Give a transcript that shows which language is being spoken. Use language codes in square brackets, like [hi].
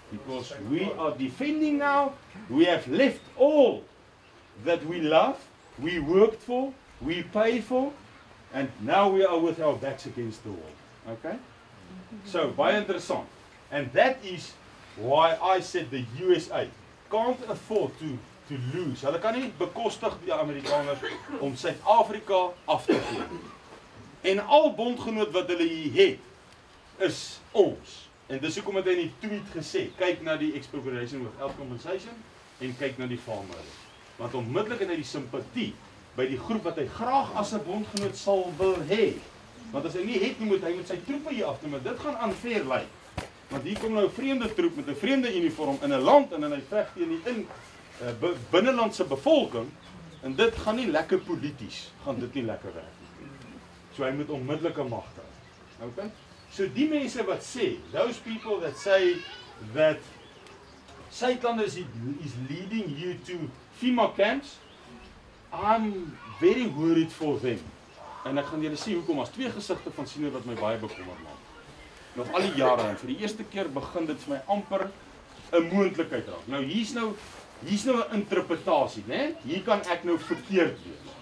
[en] Because we are defending now. We have left all that we love, we worked for, we paid for, and now we are with our backs against the wall. Okay? So, very interesting. And that is why I said the USA can't afford to lose. [af] Hulle kan nie bekostig die Amerikaners om Suid-Afrika af te gee. En al bondgenoot wat hulle hier het, is ons. En dis hoekom het hy in die tweet gesê, kyk na die [en] expropriation with health compensation, [af] en kyk na die farmers. Want onmiddellik het hy die sympathie by die groep wat hy graag as 'n bondgenoot sal wil hê. Want as hy nie het nie, moet hy met sy troepe hier afneem, maar dit gaan unfair lyk. Want hier kom nou vreemde troep met 'n vreemde uniform in 'n land, en hy veg teen die binnenlandse bevolking, en dit gaan nie lekker politisch, gaan dit nie lekker werk. So hy moet onmiddellike mag hê. Okay? So die mense wat sê, [en] those people that say that Satan is leading you to FEMA camps, I'm very worried for them. [af] En ek gaan julle sê hoekom, as twee gesigte van siener wat my baie bekommer maak. Nog al die jare, en vir die eerste keer begin dit vir my amper een moontlikheid raak. Nou hier is nou een interpretatie, nee? Hier kan ek nou verkeerd wees.